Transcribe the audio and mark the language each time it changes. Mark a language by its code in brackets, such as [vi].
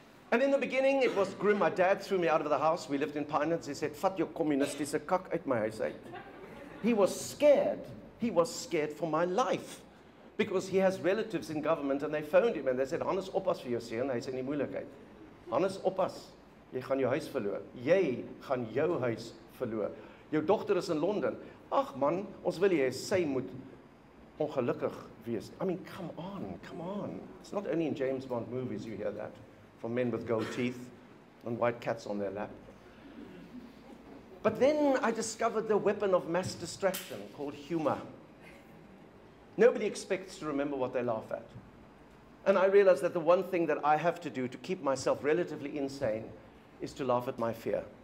[en] And in the beginning, it was grim. My dad threw me out of the house. We lived in Pinelands. He said, [af] vat jou communistische kak uit my huis uit. [en] He was scared. He was scared for my life. Because he has relatives in government, and they phoned him, and they said, [af] Hannes, oppas vir jou seun, hy is in die moeilikheid. Hannes, oppas, jy gaan jou huis verloor. Jy gaan jou huis verloor. Jou dogter is in Londen. Ach man, ons wil jy, sy moet ongelukkig wees. [en] I mean, come on, come on. It's not only in James Bond movies you hear that, from men with gold teeth and white cats on their lap. But then I discovered the weapon of mass distraction called humor. Nobody expects to remember what they laugh at. And I realized that the one thing that I have to do to keep myself relatively insane is to laugh at my fear.